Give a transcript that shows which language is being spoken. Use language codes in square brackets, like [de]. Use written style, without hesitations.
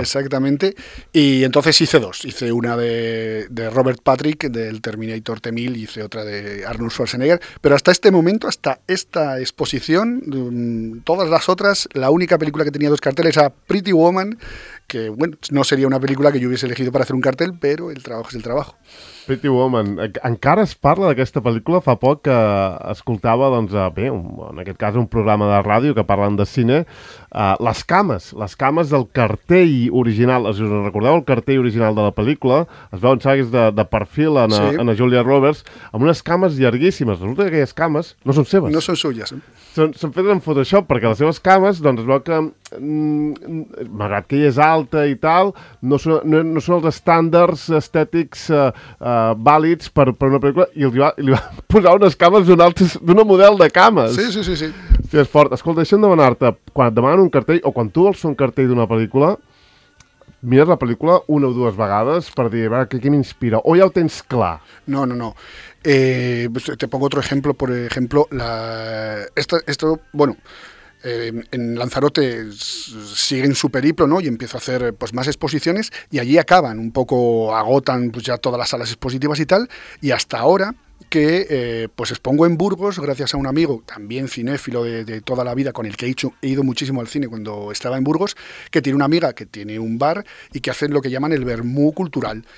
[es] Exactamente. Y entonces hice dos. Hice una de Robert Patrick, del Terminator T-1000, y hice otra de Arnold Schwarzenegger. Pero hasta este momento, hasta esta exposición... Todas las otras, la única película que tenía dos carteles era Pretty Woman, que bueno, no sería una película que yo hubiese elegido para hacer un cartel, pero el trabajo es el trabajo. [ca] Pretty Woman, encara es parla d'aquesta pel·lícula, fa poc que escoltava, doncs, bé, en aquest cas un programa de ràdio que parlen de cine, les cames del cartell original, si us recordeu, el cartell original de la pel·lícula, es veuen sagues de perfil en, sí. En a Julia Roberts, amb unes cames llarguíssimes, resulta que aquelles cames no són seves. No són suyes. Són fetes en Photoshop, perquè les seves cames, doncs, es veu que malgrat que ella és alta i tal, no són els estàndards estètics vàlids per una pel·lícula, i li va posar unes cames d'una model de cames. Sí. És fort. Escolta, deixa'm demanar-te, quan et demanen un cartell, o quan tu vols un cartell d'una pel·lícula, mires la pel·lícula una o dues vegades per dir, a veure, què m'inspira? O ja ho tens clar? No. [es] Te pongo otro ejemplo, por ejemplo, en Lanzarote siguen su periplo, ¿no? Y empiezo a hacer pues más exposiciones y allí acaban, un poco agotan pues ya todas las salas expositivas y tal, y hasta ahora que pues expongo en Burgos gracias a un amigo, también cinéfilo de toda la vida, con el que he ido muchísimo al cine cuando estaba en Burgos, que tiene una amiga que tiene un bar y que hacen lo que llaman el vermú cultural.